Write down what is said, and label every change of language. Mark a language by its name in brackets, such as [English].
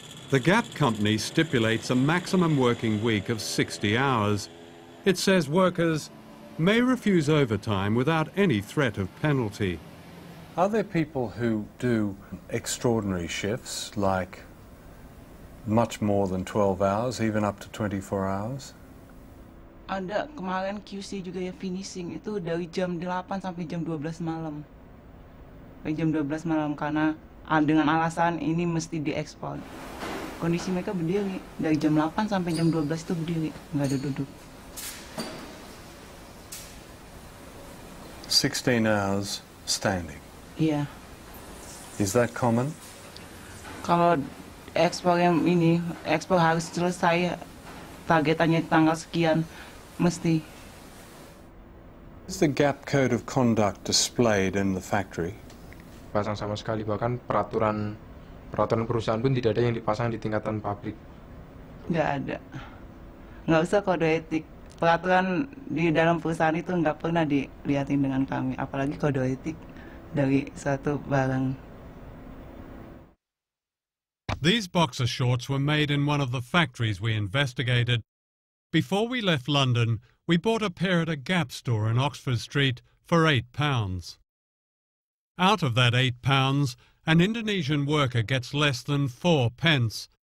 [English] The Gap company stipulates a maximum working week of 60 hours. It says workers may refuse overtime without any threat of penalty. Are there people who do extraordinary shifts, like much more than 12 hours, even up to 24 hours? [Indonesian] Ada kemarin QC juga ya, finishing itu dari jam 8 sampai jam 12 malam. Dari jam 12 malam karena dengan alasan ini mesti diekspor. Kondisi mereka berdiri dari jam 8 sampai jam 12 itu berdiri, enggak ada duduk. [English] 16 hours standing. [Indonesian] Iya. [English] Is that common? [Indonesian] Kalau ekspor yang ini, ekspor harus selesai targetannya tanggal sekian. Mesti. [English] Is the Gap code of conduct displayed in the factory? [Indonesian] Pasang sama sekali, bahkan peraturan perusahaan pun tidak ada yang dipasang di tingkatan pabrik. Nggak ada. Nggak usah kode etik. Peraturan di dalam perusahaan itu nggak pernah dilihatin dengan kami, apalagi kode etik dari satu barang. [English] These boxer shorts were made in one of the factories we investigated. Before we left London, we bought a pair at a Gap store in Oxford Street for £8. Out of that £8, an Indonesian worker gets less than 4 pence.